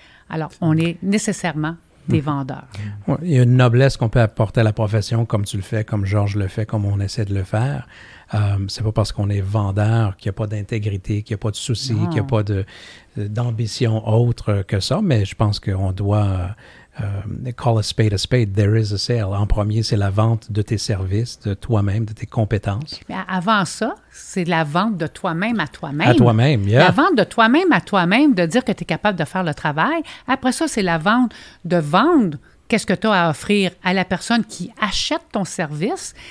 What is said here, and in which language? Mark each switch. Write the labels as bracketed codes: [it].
[fr] Alors, on est nécessairement des vendeurs. Ouais, il y a une noblesse qu'on peut apporter à la profession, comme tu le fais, comme Georges le fait, comme on essaie de le faire. C'est pas parce qu'on est vendeur qu'il n'y a pas d'intégrité, qu'il n'y a pas de souci, qu'il n'y a pas d'ambition autre que ça, mais je pense qu'on doit... [en] call a spade, there is a sale. [fr] En premier, c'est la vente de tes services, de toi-même, de tes compétences. Mais avant ça, c'est la vente de toi-même à toi-même. À toi-même, yeah. La vente de toi-même à toi-même, de dire que tu es capable de faire le travail. Après ça, c'est la vente de vendre qu'est-ce que tu as à offrir à la personne qui achète ton service.